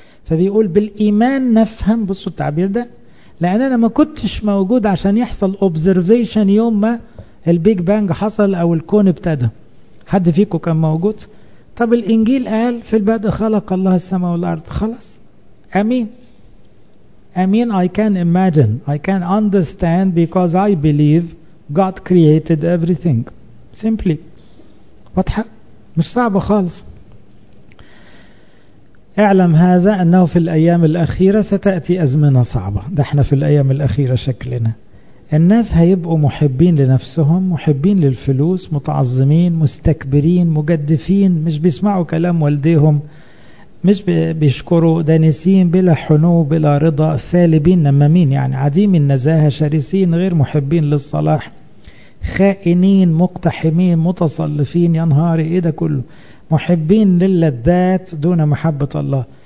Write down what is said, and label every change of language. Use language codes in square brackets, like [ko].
[ar] فبيقول بالإيمان نفهم، بصوا التعبير ده، لأن أنا ما كنتش موجود عشان يحصل observation يوم ما البيج بانج حصل أو الكون ابتدى. حد فيكم كان موجود؟ طب الإنجيل قال في البدء خلق الله السماء والأرض، خلاص أمين أمين. [en] I can imagine, I can understand because I believe God created everything simply. [ar] واضحة؟ مش صعبة خالص. اعلم هذا أنه في الأيام الأخيرة ستأتي أزمنة صعبة. ده احنا في الأيام الأخيرة شكلنا، الناس هيبقوا محبين لنفسهم، محبين للفلوس، متعظمين، مستكبرين، مجدفين، مش بيسمعوا كلام والديهم، مش بيشكروا، دانسين بلا حنو بلا رضا، ثالبين، نمامين يعني، عديم النزاهة، شرسين، غير محبين للصلاح، خائنين، مقتحمين، متصلفين، ينهار ايه ده كله، محبين للذات دون محبة الله.